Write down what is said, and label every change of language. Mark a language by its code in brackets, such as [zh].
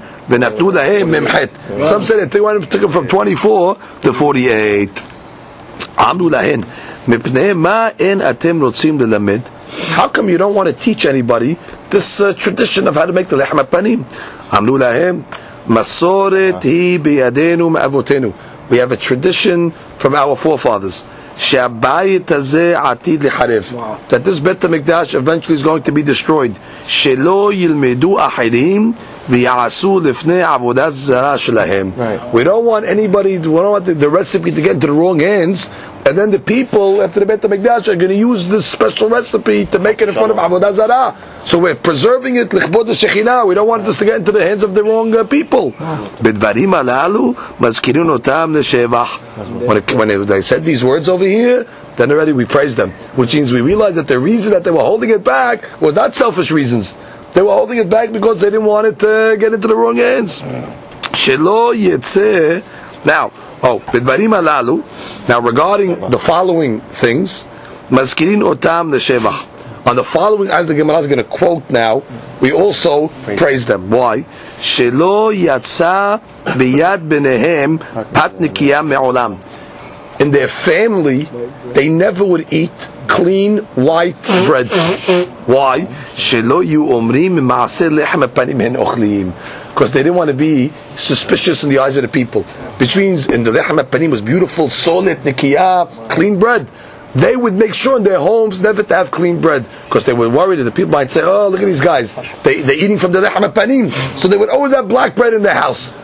[he] ונתנו להם ממחת. [en] Some said that they took it from 24 to 48. [he] אמרו להן, מפני מה אין אתם רוצים ללמד? [en] How come you don't want to teach anybody this tradition of how to make the lechem apanim? [he] אמרו להם, מסורת היא בידינו מאבותינו. [en] We have a tradition from our forefathers. [he] שהבית הזה עתיד לחרב. [en] That this Beit HaMikdash eventually is going to be destroyed. [he] שלא ילמדו אחרים ויעשו לפני עבודה זרה שלהם. [en] We don't want anybody, we don't want the recipe to get into the wrong hands. And then the people after the Beit HaMikdash are going to use this special recipe to make it in front of Avodah Zarah. So we're preserving it lichbod ha-shechina. We don't want this to get into the hands of the wrong people. [he] בדברים הללו מזכירים אותם לשבח. [en] When they said these words over here, then already we praised them. Which means we realized that the reason that they were holding it back was not selfish reasons. They were holding it back because they didn't want it to get into the wrong hands. [he] שלא יצא. Now, בדברים הללו, [en] now regarding the following things, [he] מזכירים אותם לשבח. [en] On the following, as the Gemara is going to quote now, we also praise them. Why? [he] שלא יצא ביד ביניהם פת נקייה מעולם. [en] In their family, they never would eat clean white bread. Why? [he] שלא יהיו אומרים מעשה לחם הפנים הן אוכלים. [en] Because they didn't want to be suspicious in the eyes of the people. Which means, in the lechem ha'panim was beautiful, solid, nikiya, clean bread. They would make sure in their homes never to have clean bread. Because they were worried that the people might say, oh, look at these guys. They're eating from the lechem ha'panim. So they would always have black bread in their house.